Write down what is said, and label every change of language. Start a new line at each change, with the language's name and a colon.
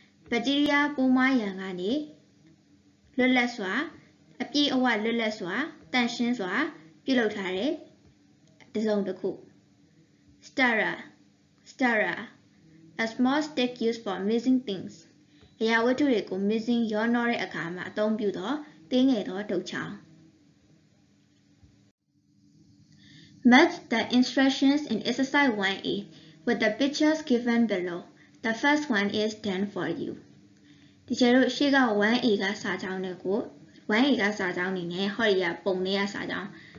Burmese: Bacteria ပိုးမွှားရန်ကနေလွတ်လပ်စွာအပြည့်အဝလွတ်လပ်စွာတန့်ရှင်းစွာပြုလုပ်ထားတဲ့အစုံတစ်ခု.
English: Stirrer. A small stick used for mixing things.
Burmese: အရာဝတ္ထုတွေကို mixing ရောနှောတဲ့အခါမှာအသုံးပြုသောသေးငယ်သောဒုတ်ချောင်.
English: Match the instructions in exercise 1A. With the pictures given below, the first one is done for you.
Burmese: ဒီကျလို့ရှေ့က 1A ကစာကြောင်းတွေကို 1A ကစာကြောင်းနေနဲ့ဟောဒီကပုံလေးကစာကြောင်း